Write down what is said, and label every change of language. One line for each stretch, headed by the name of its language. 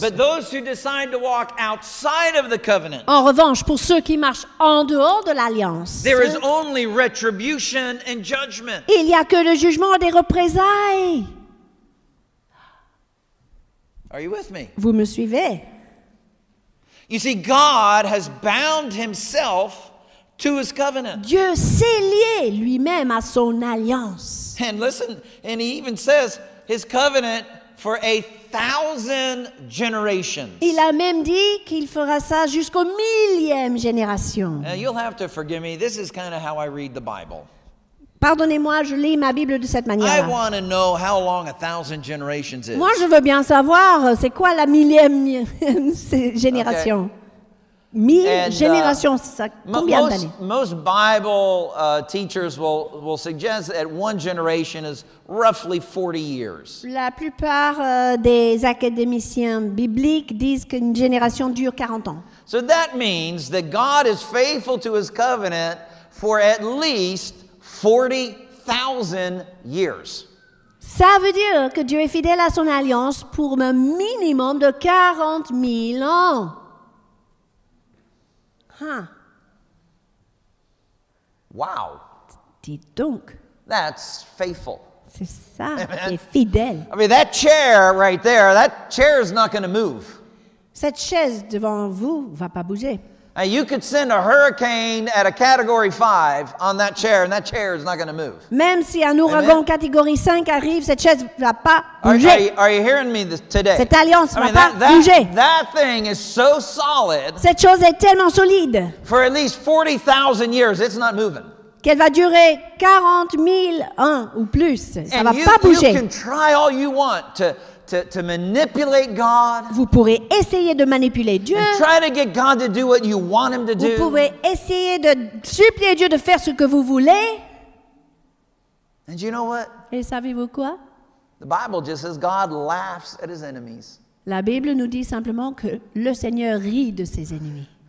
English: But those who decide to walk outside of the covenant.
French: En revanche, pour ceux qui marchent en dehors de l'alliance.
English: There is only retribution and judgment.
French: Il n'y a que le jugement et des représailles.
English: Are you with me?
French: Vous me suivez?
English: You see, God has bound himself to his covenant.
French: Dieu s'est lié lui-même à son alliance.
English: And listen, and he even says his covenant for 1,000 generations.
French: Il a même dit qu'il fera ça jusqu'au millième génération.
English: Now you'll have to forgive me. This is kind of how I read the Bible.
French: Pardonnez-moi, je lis ma Bible de cette manière.
English: I want to know how long 1,000 generations is.
French: Moi, je veux bien savoir c'est quoi la millième génération. Okay. 1,000 générations, ça, combien d'années?
English: Most Bible teachers will suggest that one generation is roughly 40 years.
French: La plupart des académiciens bibliques disent qu'une génération dure 40 ans.
English: So that means that God is faithful to his covenant for at least 40,000 years.
French: Ça veut dire que Dieu est fidèle à son alliance pour un minimum de 40 000 ans. Huh. Wow. Dis donc.
English: That's faithful.
French: C'est ça. Amen. C'est fidèle.
English: I mean, that chair right there, that chair is not going to move.
French: Cette chaise devant vous va pas bouger.
English: And you could send a hurricane at a category 5 on that chair, and that chair is not going to move.
French: Même si un ouragan catégorie 5 arrive, cette chaise va pas bouger.
English: Are you hearing me today?
French: Cette alliance
English: I mean,
French: va pas bouger.
English: That thing is so solid.
French: Cette chose est tellement solide.
English: For at least 40,000 years, it's not moving.
French: Qu'elle va durer 40 000 ans ou plus. Ça
English: and
French: va
English: you,
French: pas bouger.
English: You can try all you want to manipulate God.
French: Vous pourrez essayer de manipuler Dieu.
English: And try to get God to do what you want him to do.
French: Vous pouvez essayer de supplier Dieu de faire ce que vous voulez.
English: And you know what?
French: Et savez-vous quoi?
English: The Bible just says God laughs at his enemies.
French: La Bible nous dit simplement que le Seigneur rit de ses ennemis.